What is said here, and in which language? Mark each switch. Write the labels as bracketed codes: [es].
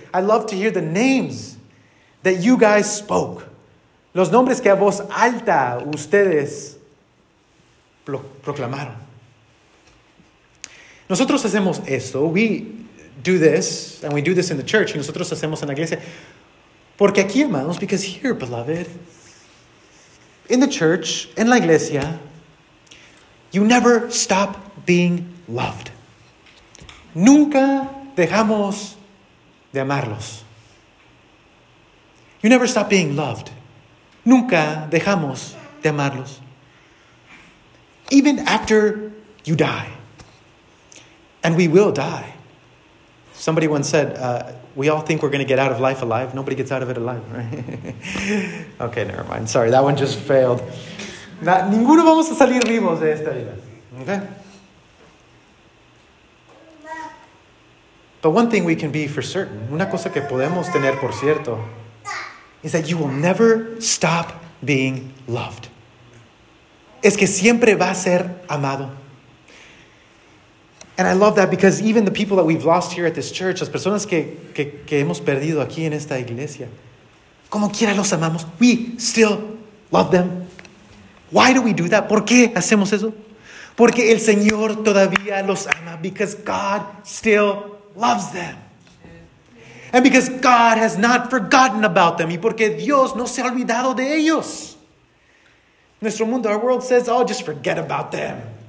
[en] I love to hear the names that you guys spoke. [es] Los nombres que a voz alta ustedes proclamaron. Nosotros hacemos esto, [en] we do this, and we do this in the church, [es] y nosotros hacemos en la iglesia, porque aquí, amados, [en] because here, beloved, in the church, [es] en la iglesia, [en] you never stop being loved. [es] Nunca dejamos de amarlos. [en] You never stop being loved. [es] Nunca dejamos de amarlos. [en] Even after you die. And we will die. Somebody once said, we all think we're going to get out of life alive. Nobody gets out of it alive, right? Okay, never mind. Sorry, that one just failed. [es] Ninguno vamos a salir vivos de esta vida. [en] Okay. But one thing we can be for certain, [es] una cosa que podemos tener por cierto, [en] is that you will never stop being loved. [es] Es que siempre va a ser amado. [en] And I love that because even the people that we've lost here at this church, [es] las personas que hemos perdido aquí en esta iglesia, como quiera los amamos, [en] we still love them. Why do we do that? [es] ¿Por qué hacemos eso? Porque el Señor todavía los ama. [en] Because God still loves them. And because God has not forgotten about them. [es] Y porque Dios no se ha olvidado de ellos. Nuestro mundo, [en] our world says, oh, just forget about them.